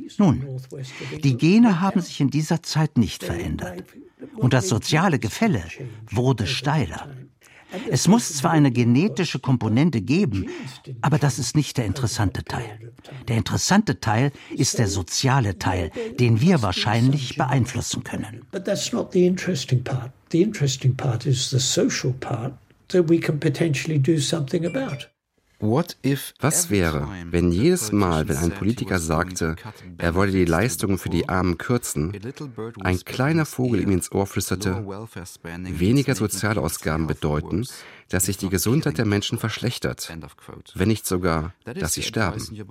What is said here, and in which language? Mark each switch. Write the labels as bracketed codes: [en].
[de] Nun, die Gene haben sich in dieser Zeit nicht verändert. Und das soziale Gefälle wurde steiler. Es muss zwar eine genetische Komponente geben, aber das ist nicht der interessante Teil. Der interessante Teil ist der soziale Teil, den wir wahrscheinlich beeinflussen können. [en] But that's not the interesting part. The interesting part is the social part that we can potentially do something about. [de] Was wäre, wenn jedes Mal, wenn ein Politiker sagte, er wolle die Leistungen für die Armen kürzen, ein kleiner Vogel ihm ins Ohr flüsterte, weniger Sozialausgaben bedeuten, dass sich die Gesundheit der Menschen verschlechtert, wenn nicht sogar, dass sie sterben?